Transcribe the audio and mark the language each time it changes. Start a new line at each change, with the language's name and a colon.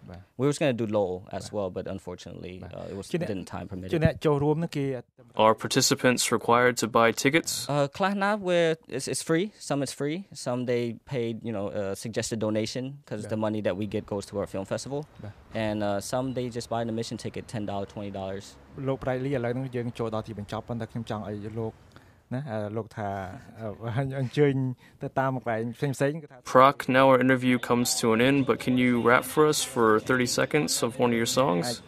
English: Yeah. We were going to do Lowell as yeah. well, but unfortunately it was didn't time permit. Are participants required to buy tickets? It's free. Some it's free. Some they paid, you know, suggested donation because yeah. the money that we get goes to our film festival. Yeah. And some they just buy an admission ticket, $10, $20.
Khmer: លោក Bradley ឥឡូវនឹងយើងចូលដល់ទីបញ្ចប់ប៉ុន្តែខ្ញុំចង់ឲ្យលោកណាលោកថាអញ្ជើញទៅតាមកន្លែងផ្សេងៗ
English: Prok, now our interview comes to an end, but can you rap for us for 30 seconds of one of your songs?